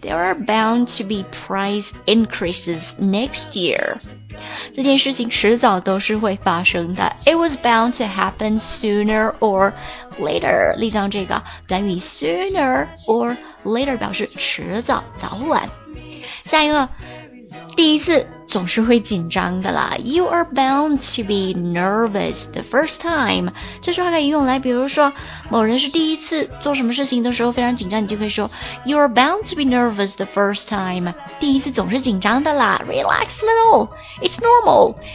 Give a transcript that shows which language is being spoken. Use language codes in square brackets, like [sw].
[en] There are bound to be price increases next year. [zh] 这件事情迟早都是会发生的。 [en] It was bound to happen sooner or later. [zh] 例如这个短语 sooner or later 表示迟早、早晚。下一个，第一次总是会紧张的啦。 [en] You are bound to be nervous the first time. [zh] 这句话可以用来比如说某人是第一次做什么事情的时候非常紧张，你就可以说 [en] You are bound to be nervous the first time. [zh] 第一次总是紧张的啦。 [en] Relax a little. It's normal.